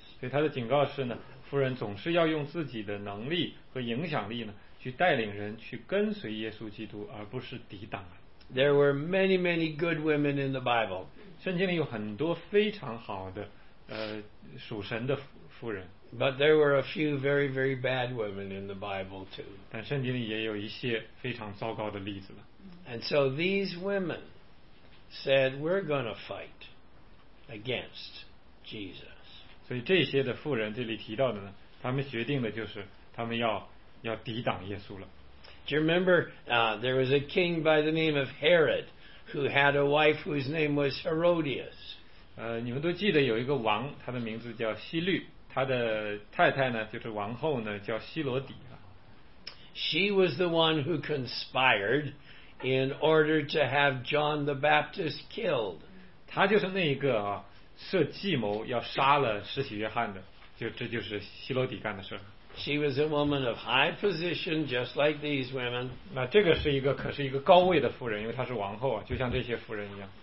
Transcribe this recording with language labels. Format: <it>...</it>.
<zh>所以他的警告是呢，妇人总是要用自己的能力和影响力呢，去带领人去跟随耶稣基督，而不是抵挡。</zh> <en>There were many, many good women in the Bible.</en> <zh>圣经里有很多非常好的属神的妇人。</zh> <en>But there were a few very, very bad women in the Bible too.</en> <zh>但圣经里也有一些非常糟糕的例子了。</zh> <en>And so these women said, we're going to fight against Jesus.</en> <zh>所以这些的妇人这里提到的呢，他们决定的就是他们要抵挡耶稣了。</zh> <en>Do you remember, there was a king by the name of Herod who had a wife whose name was Herodias.</en> <zh>你们都记得有一个王，他的名字叫希律，他的太太呢，就是王后呢，叫希罗底。</zh> <en>She was the one who conspired in order to have John the Baptist killed.</en> <zh>他就是那一个啊，设计谋要杀了施洗约翰的，这就是希罗底干的事。</zh> <en>She was a woman of high position, just like these women.</en> <zh>那这个是一个可是一个高位的妇人，因为她是王后啊，就像这些妇人一样。</zh>